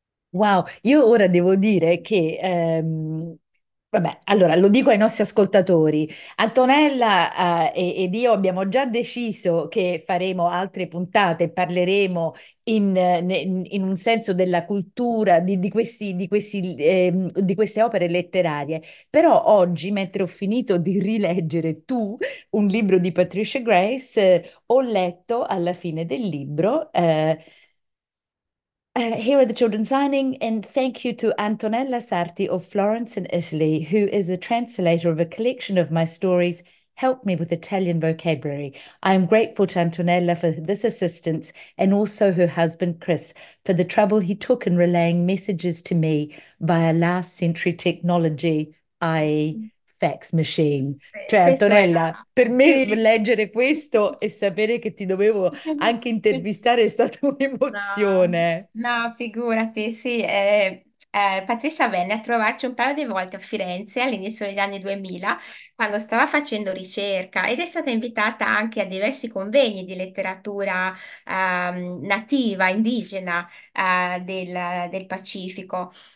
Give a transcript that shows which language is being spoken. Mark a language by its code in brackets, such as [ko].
[it] Wow, io ora devo dire che, vabbè, allora lo dico ai nostri ascoltatori, Antonella, ed io abbiamo già deciso che faremo altre puntate, parleremo in un senso della cultura di queste opere letterarie. Però oggi, mentre ho finito di rileggere tu un libro di Patricia Grace, ho letto alla fine del libro. [en] Here are the children signing, and thank you to Antonella Sarti of Florence in Italy, who is a translator of a collection of my stories, Help me with Italian vocabulary. I am grateful to Antonella for this assistance and also her husband Chris for the trouble he took in relaying messages to me via last century technology, i.e. fax machine. Cioè, [it] Questo è Antonella, per me sì. leggere questo e sapere che ti dovevo anche intervistare è stata un'emozione. No, figurati, sì. Patricia venne a trovarci un paio di volte a Firenze all'inizio degli anni 2000, quando stava facendo ricerca, ed è stata invitata anche a diversi convegni di letteratura nativa, indigena del Pacifico.